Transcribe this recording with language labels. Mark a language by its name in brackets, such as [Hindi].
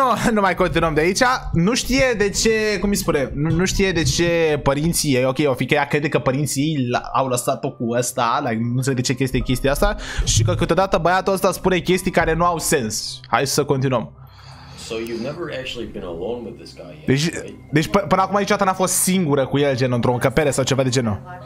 [Romanian] Nu mai continuăm de aici. Nu știe de ce, cum îi spune, nu știe de ce părinții ei, ok, o fi că ea crede că părinții au lăsat-o cu ăsta, like, nu știu de ce chestia asta, și că câteodată băiatul ăsta spune chestii care nu au sens. Hai să continuăm. [English] So you've never actually been alone with this guy. [Romanian] Deci până acum niciodată n-a fost singură cu el, gen într-o încăpere sau ceva de genul.